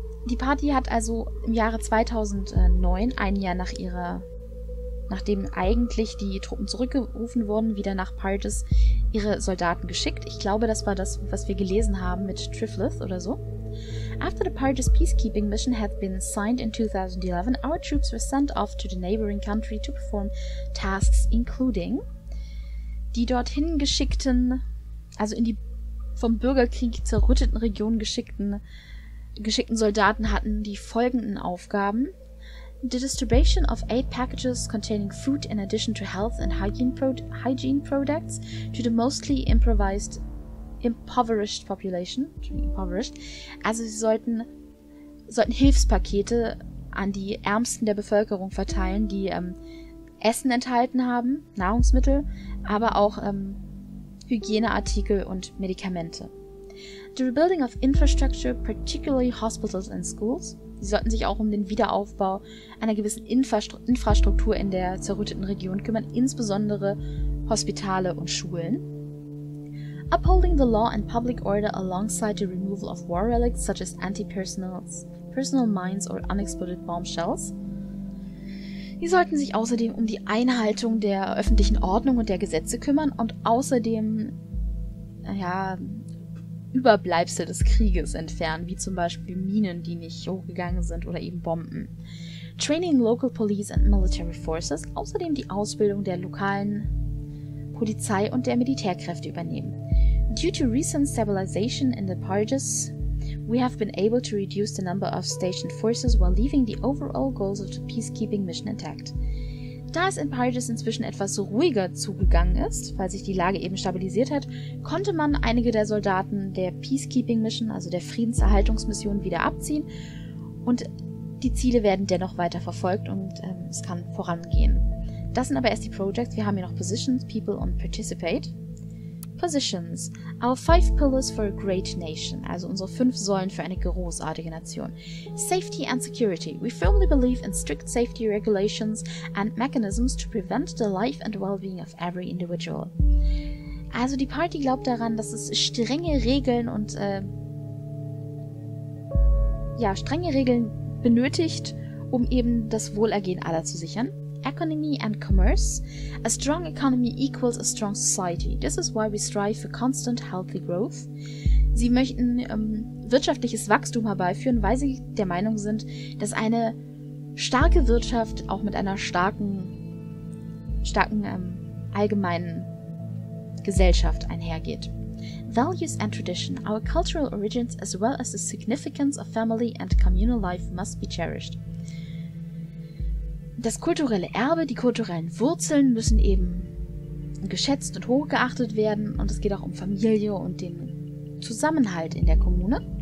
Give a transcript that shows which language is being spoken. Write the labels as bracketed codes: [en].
[de] Die Party hat also im Jahre 2009, ein Jahr nachdem eigentlich die Truppen zurückgerufen wurden, wieder nach Purges ihre Soldaten geschickt. Ich glaube, das war das, was wir gelesen haben mit Triflith oder so. [en] After the Purges peacekeeping mission had been signed in 2011, our troops were sent off to the neighboring country to perform tasks including [de] die dorthin geschickten, also in die vom Bürgerkrieg zerrütteten Regionen geschickten Soldaten hatten die folgenden Aufgaben: [en] The distribution of aid packages containing food in addition to health and hygiene products to the mostly impoverished population. Impoverished. [de] Also sie sollten Hilfspakete an die Ärmsten der Bevölkerung verteilen, die Essen enthalten haben, Nahrungsmittel, aber auch Hygieneartikel und Medikamente. [en] The rebuilding of infrastructure, particularly hospitals and schools. [de] Sie sollten sich auch um den Wiederaufbau einer gewissen Infrastruktur in der zerrütteten Region kümmern, insbesondere Hospitale und Schulen. [en] Upholding the law and public order alongside the removal of war relics such as anti-personal mines or unexploded bombshells. [de] Sie sollten sich außerdem um die Einhaltung der öffentlichen Ordnung und der Gesetze kümmern und außerdem Überbleibsel des Krieges entfernen, wie zum Beispiel Minen, die nicht hochgegangen sind, oder eben Bomben. [en] Training local police and military forces, [de] außerdem die Ausbildung der lokalen Polizei und der Militärkräfte übernehmen. [en] Due to recent stabilization in the Purges, we have been able to reduce the number of stationed forces while leaving the overall goals of the peacekeeping mission intact. [de] Da es in Purges inzwischen etwas ruhiger zugegangen ist, weil sich die Lage eben stabilisiert hat, konnte man einige der Soldaten der Peacekeeping Mission, also der Friedenserhaltungsmission, wieder abziehen und die Ziele werden dennoch weiter verfolgt und es kann vorangehen. Das sind aber erst die Projects. Wir haben hier noch Positions, People und Participate. [en] positions, our five pillars for a great nation, [de] also unsere fünf Säulen für eine großartige Nation. [en] Safety and security. We firmly believe in strict safety regulations and mechanisms to prevent the life and well-being of every individual. [de] Also die Party glaubt daran, dass es strenge Regeln und strenge Regeln benötigt, um eben das Wohlergehen aller zu sichern. [en] Economy and commerce. A strong economy equals a strong society. This is why we strive for constant healthy growth. [de] Sie möchten wirtschaftliches Wachstum herbeiführen, weil sie der Meinung sind, dass eine starke Wirtschaft auch mit einer starken allgemeinen Gesellschaft einhergeht. [en] Values and tradition. Our cultural origins as well as the significance of family and communal life must be cherished. [de] Das kulturelle Erbe, die kulturellen Wurzeln müssen eben geschätzt und hochgeachtet werden. Und es geht auch um Familie und den Zusammenhalt in der Kommune.